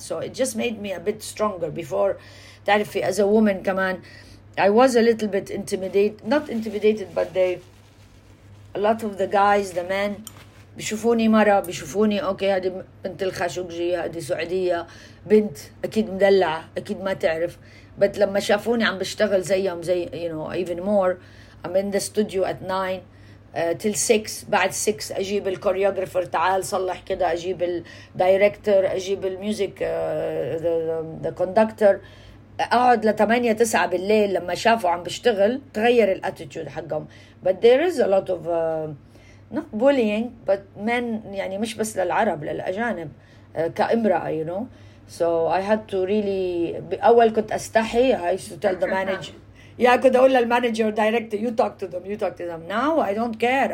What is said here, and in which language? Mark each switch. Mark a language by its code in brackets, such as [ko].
[en] So it just made me a bit stronger. Before, [ar] تعرفي, [en] as a woman, come on, I was a little bit not intimidated, but they, a lot of the guys, the men, [ar] بيشوفوني مرة, بيشوفوني, [en] okay, [ar] هذه بنت الخاشقجي, هذه سعودية, بنت, أكيد مدلعة, أكيد ما تعرف. [en] But [ar] لما شافوني عم بشتغل زيهم, زي, [en] you know, even more, I'm in the studio at 9 till 6. [ar] بعد 6 أجيب الكوريوغرافر, تعال صلح كده, أجيب الدايركتور, أجيب الميوزيك, [en] the conductor. [ar] أقعد لتمانية تسعة بالليل. لما شافوا عم بشتغل تغير الاتيتيود حقهم. [en] But there is a lot of not bullying, but men, [ar] يعني مش بس للعرب, للأجانب, كامرأة, [en] you know. So I had to really, [ar] أول كنت أستحي. [en] I used to tell the manager, yeah, I could [ar] أقول للمانجر [en] director, you talk to them. Now I don't care.